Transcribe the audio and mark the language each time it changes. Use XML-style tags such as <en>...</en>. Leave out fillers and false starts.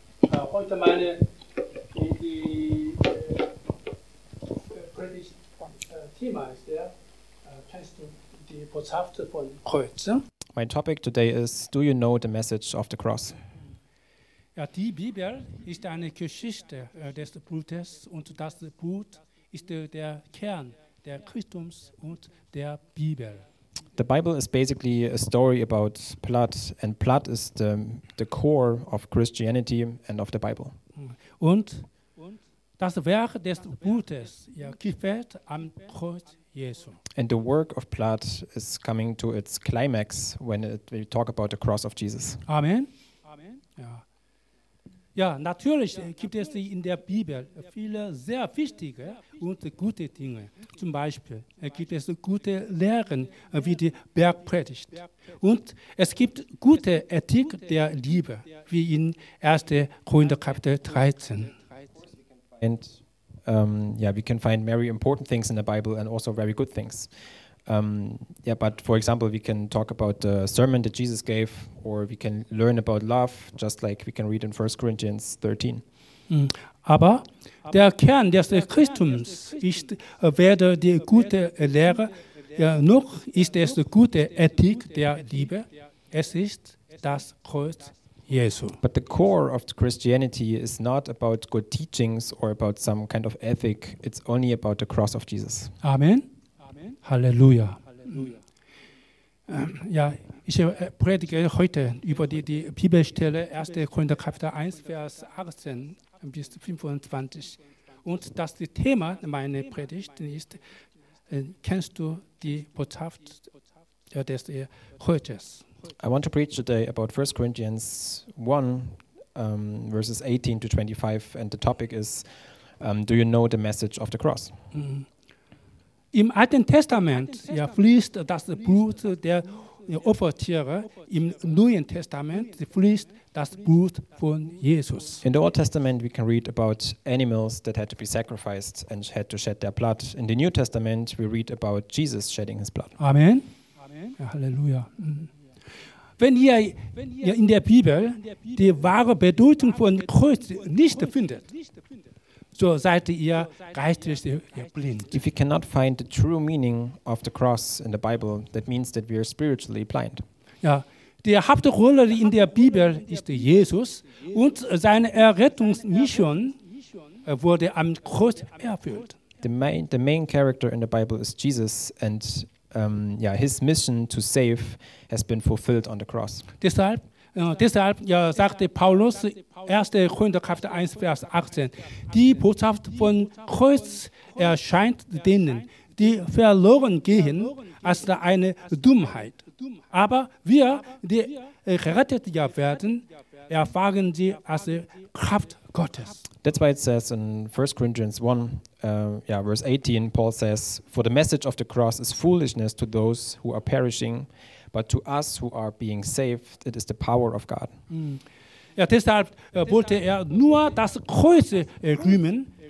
<de>Ja, heute meine die Predigt Thema ist der Fest und die Botschaft von Kreuz.</de> <en>My topic today is: Do you know the message of the cross?</en> <de>Ja, die Bibel ist eine Geschichte des Blutes und das Blut ist der Kern der Christums und der Bibel.</de> <en>The Bible is basically a story about blood, and blood is the core of Christianity and of the Bible.</en> <de>Und das Werk des Blutes, ja, gefällt am Kreuz Jesu.</de> <en>And the work of blood is coming to its climax when we talk about the cross of Jesus. Amen. Amen. Ja.</en> <de>Ja, natürlich gibt es in der Bibel viele sehr wichtige und gute Dinge. Zum Beispiel gibt es gute Lehren wie die Bergpredigt. Und es gibt gute Ethik der Liebe, wie in 1. Korinther Kapitel 13.</de> <en>And we can find very important things in the Bible and also very good things. But for example, we can talk about the sermon that Jesus gave, or we can learn about love, just like we can read in 1 Corinthians 13.</en> <de>Aber der Kern des Christums ist weder die gute Lehre, noch ist es die gute Ethik der Liebe. Es ist das Kreuz Jesu.</de> <en>But the core of Christianity is not about good teachings or about some kind of ethic. It's only about the cross of Jesus. Amen. Halleluja.</en> <de>Ja, ich predige heute über die Bibelstelle 1. Korinther Kapitel 1, Vers 18 bis 25. Und das Thema meiner Predigt ist: Kennst du die Botschaft des Kreuzes?</de> <en>I want to preach today about 1. Corinthians 1, verses 18 to 25. And the topic is: Do you know the message of the cross?</en> <de>Im Alten Testament, ja, fließt das Blut der Opfertiere. Im Neuen Testament fließt das Blut von Jesus.</de> <en>In the Old Testament we can read about animals that had to be sacrificed and had to shed their blood. In the New Testament we read about Jesus shedding his blood. Amen. Ja, Halleluja.</en> <de>Wenn ihr in der Bibel die wahre Bedeutung von Kreuz nicht findet, so seid ihr geistlich blind.</de> <en>If you cannot find the true meaning of the cross in the Bible, that means that we are spiritually blind.</en> <de>Ja, die Hauptrolle in der Bibel ist Jesus und seine Errettungsmission wurde am Kreuz erfüllt.</de> <en>The main character in the Bible is Jesus and his mission to save has been fulfilled on the cross.</en> <de>Deshalb sagte Paulus 1. Korinther Kapitel 1, Vers 18, die Botschaft von Kreuz erscheint denen, die verloren gehen, als eine Dummheit. Aber wir, die gerettet werden, erfahren sie als Kraft Gottes.</de> <en>That's why it says in 1. Corinthians 1, verse 18, Paul says, for the message of the cross is foolishness to those who are perishing, but to us who are being saved, it is the power of God.</en> <de>Ja, deshalb wollte er nur das Kreuz rühmen.</de>